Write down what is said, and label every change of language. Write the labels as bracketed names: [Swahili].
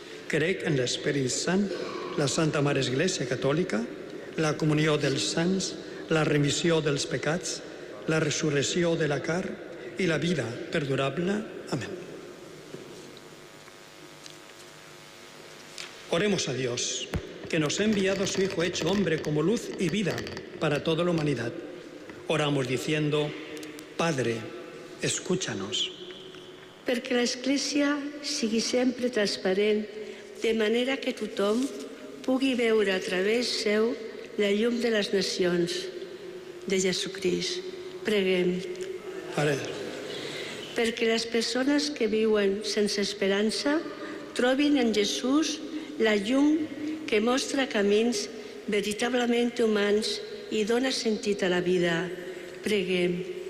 [Catalan] Crec en l'Esperit Sant, la Santa Mare Església Catòlica, la comunió dels sants, la remissió dels pecats, la resurrecció de la carn i la vida perdurable. Amén. [Spanish] Oremos a Dios, que nos ha enviado su Hijo hecho hombre como luz y vida para toda la humanidad. Oramos diciendo: Padre, escúchanos. [Catalan] Perquè l'Església sigui sempre transparent, de manera que tothom pugui veure a través seu la llum de les nacions, de Jesucrist, preguem. Pare. Perquè les persones que viuen sense esperança trobin en Jesús la llum que mostra camins veritablement humans i dona sentit a la vida, preguem.